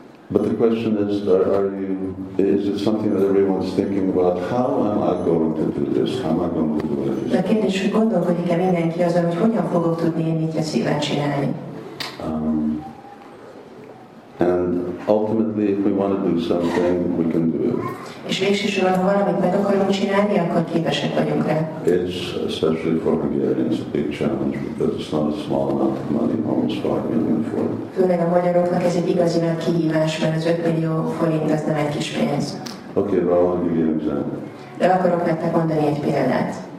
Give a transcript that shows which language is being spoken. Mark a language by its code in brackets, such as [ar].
[en] But the question is, is it something that everyone's thinking about? How am I going to do this? How am I going to do this? [hu] De kérdés, hogy gondolkodik-e mindenki azon, hogy hogyan fogok tudni én így a szíven csinálni? [en] And ultimately, if we want to do something, we can do it. [hu] És végsősorban, ha valamit meg akarunk csinálni, akkor képesek vagyunk rá. [en] It's especially for Hungarians a big challenge because it's not a small amount of money, almost 5 million for it. [hu] Főleg a magyaroknak ez egy igazi nagy kihívás, mert az 5 millió forint az nem egy kis pénz. [en] Okay, but I'll give you an example. [hu] De akarok nektek mondani egy példát.